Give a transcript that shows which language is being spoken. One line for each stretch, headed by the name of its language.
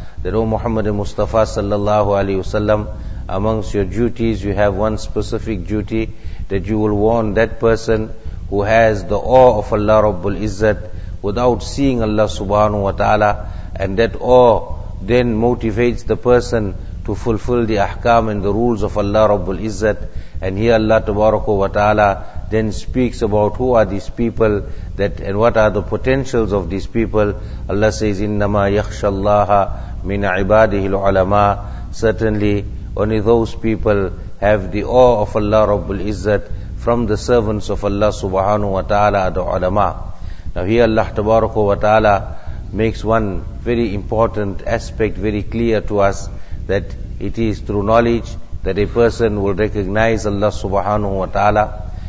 English: that O Muhammad Mustafa sallallahu alayhi wa sallam, amongst your duties you have one specific duty, that you will warn that person who has the awe of Allah Rabbul Izzat without seeing Allah subhanahu wa ta'ala, and that awe then motivates the person to fulfill the ahkam and the rules of Allah Rabbul Izzat. And here Allah Tabaraka wa ta'ala then speaks about who are these people, that and what are the potentials of these people. Allah says,
Arabic: إِنَّمَا يَخْشَ اللَّهَ مِنْ عِبَادِهِ الْعُلَمَاءِ.
English: Certainly only those people have the awe of Allah Rabbul Izzat from the servants of Allah subhanahu wa ta'ala, the ulama. Now here Allah Tabaraka wa ta'ala makes one very important aspect very clear to us, that it is through knowledge that a person will recognize Allah subhanahu wa ta'ala.